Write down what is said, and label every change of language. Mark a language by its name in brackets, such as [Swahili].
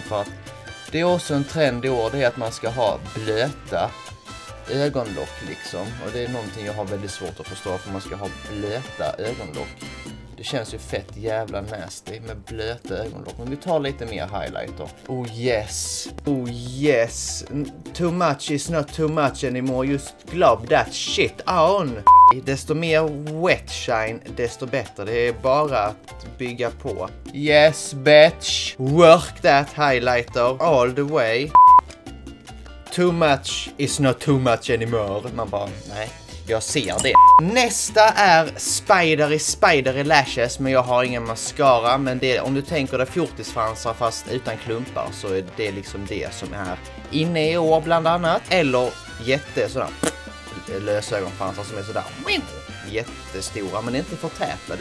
[Swedish] För att det är också en trend i år, det är att man ska ha blöta ögonlock liksom. Och det är någonting jag har väldigt svårt att förstå, för man ska ha blöta ögonlock. Det känns ju fett jävla nasty med blöta ögonlock. Men vi tar lite mer highlighter. [English] Oh yes. Too much is not too much anymore. Just glob that shit on. [Swedish] Desto mer [English] wet shine, [Swedish] desto bättre. Det är bara att bygga på. [English] Yes, bitch. Work that highlighter all the way. Too much is not too much anymore. [Swedish] Man bara, nej. Jag ser det. Nästa är spidery lashes, men jag har ingen mascara. Men det, om du tänker dig fjortisfransar fast utan klumpar, så är det liksom det som är inne i år bland annat. Eller jätte sådär lösögonfransar som är sådär jättestora, men inte för täta.